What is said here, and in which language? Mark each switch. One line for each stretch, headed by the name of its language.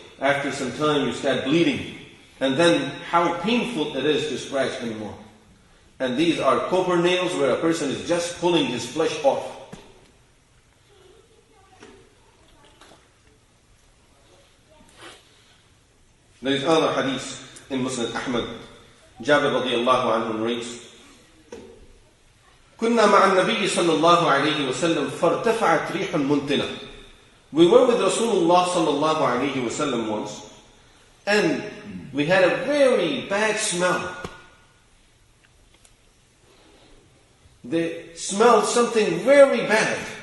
English: After some time, you start bleeding. And then how painful it is to scratch anymore. And these are copper nails where a person is just pulling his flesh off. There is another hadith in Musnad Ahmad.
Arabic: Jabir radiallahu anhu narrates, كُنَّا مَعَ النَّبِيِّ صَلَّى اللَّهُ عَلَيْهِ وَسَلَّمْ فَارْتَفَعَتْ رِيحٌ مُنْتِنَةٌ.
English: We were with Rasulullah sallallahu alayhi wa sallam once, and we had a very bad smell. They smelled something very bad.